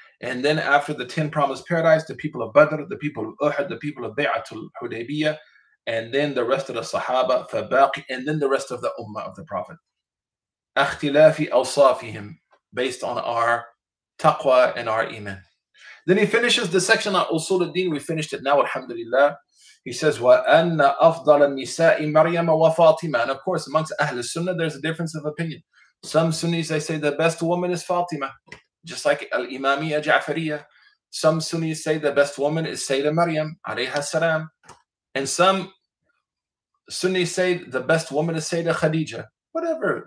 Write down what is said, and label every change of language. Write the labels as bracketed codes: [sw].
[en] And then after the 10 promised paradise, the people of Badr, the people of Uhud, the people of Bay'atul Hudaybiyah, and then the rest of the Sahaba, فَبَاقِي, and then the rest of the Ummah of the Prophet. [ar] أَخْتِلَافِ أَوْصَافِهِمْ, [en] based on our taqwa and our iman. Then he finishes the section on Usul al-Din. We finished it now, alhamdulillah. He says, [ar] وَأَنَّ أَفْضَلَ النِّسَاءِ مَرْيَمَ وَفَاطِمَةَ. [en] And of course, amongst Ahl al-Sunnah, there's a difference of opinion. Some Sunnis, they say the best woman is Fatima, just like al-Imamiyya Ja'fariyya. Some Sunnis say the best woman is Sayyidah Maryam, alayha salam. And some Sunnis say the best woman is Sayyidah Khadija. Whatever.